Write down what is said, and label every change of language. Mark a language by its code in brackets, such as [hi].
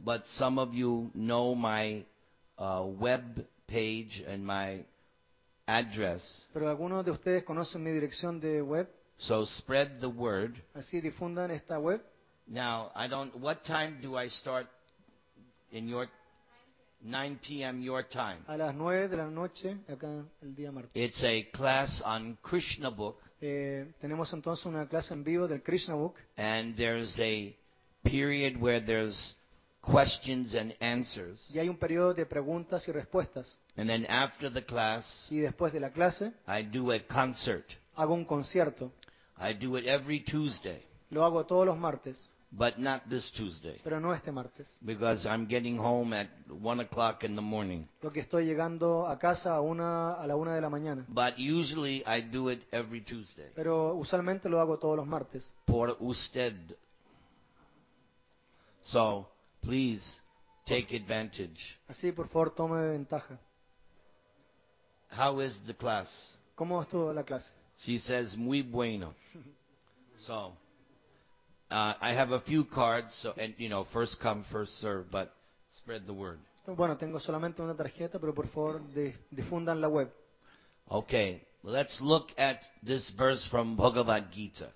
[en] But some of you know my web page and my address. [es] Pero algunos de ustedes conocen mi dirección de web. [en] So spread the word. [es] Así difundan esta web. [en] Now, what time do I start in your 9 p.m. your time? [es] A las 9 de la noche acá el día martes. [en] It's a class on Krishna book. [es] Tenemos entonces una clase en vivo del Krishna book. [en] And there's a period where there's questions and answers. [es] Y hay un periodo de preguntas y respuestas. [en] And then after the class, [es] y después de la clase, [en] I do a concert. [es] Hago un concierto. [en] I do it every Tuesday. [es] Lo hago todos los martes. [en] But not this Tuesday. [es] Pero no este martes. [en] Because I'm getting home at 1 o'clock in the morning. [es] Porque estoy llegando a casa a la una de la mañana. [en] But usually I do it every Tuesday. [es] Pero usualmente lo hago todos los martes. Por usted. [en] So, please take advantage. [es] Así, por favor, tome ventaja. [en] How is the class? [es] ¿Cómo estuvo la clase? [en] She says [es] muy bueno. [en] So, I have a few cards, so, and you know, first come, first serve, but spread the word. [es] Bueno, tengo solamente una tarjeta, pero por favor, difundan la web. [en] Okay, let's look at this verse from Bhagavad Gita.